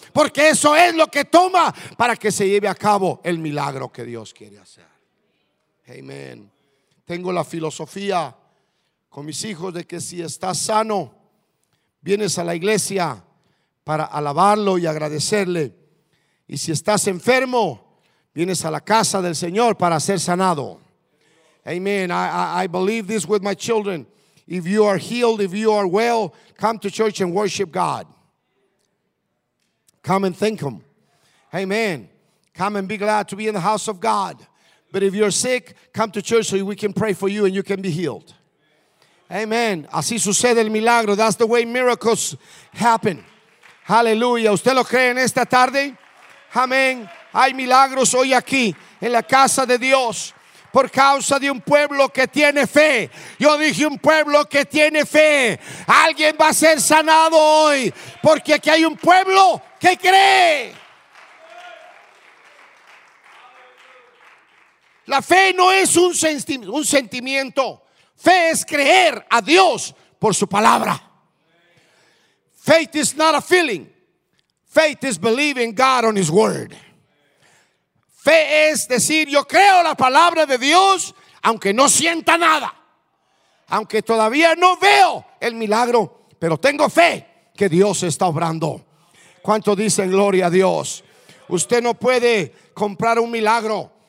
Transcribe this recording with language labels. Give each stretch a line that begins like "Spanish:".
Spanish: Porque eso es lo que toma para que se lleve a cabo el milagro que Dios quiere hacer. Amén. Tengo la filosofía con mis hijos de que si estás sano, vienes a la iglesia para alabarlo y agradecerle. Y si estás enfermo, vienes a la casa del Señor para ser sanado.
English: Amen. I believe this with my children. If you are healed, if you are well, come to church and worship God. Come and thank Him. Amen. Come and be glad to be in the house of God. But if you're sick, come to church so we can pray for you and you can be healed. Amen.
Spanish: Así sucede el milagro.
English: That's the way miracles happen. Hallelujah.
Spanish: ¿Usted lo cree en esta tarde? Amén. Hay milagros hoy aquí en la casa de Dios por causa de un pueblo que tiene fe. Yo dije un pueblo que tiene fe. Alguien va a ser sanado hoy porque aquí hay un pueblo que cree. La fe no es un sentimiento. Fe es creer a Dios por su palabra.
English: Faith is not a feeling. Faith is believing God on His word.
Spanish: Fe es decir, yo creo la palabra de Dios, aunque no sienta nada. Aunque todavía no veo el milagro, pero tengo fe que Dios está obrando. ¿Cuánto dicen gloria a Dios? Usted no puede comprar un milagro.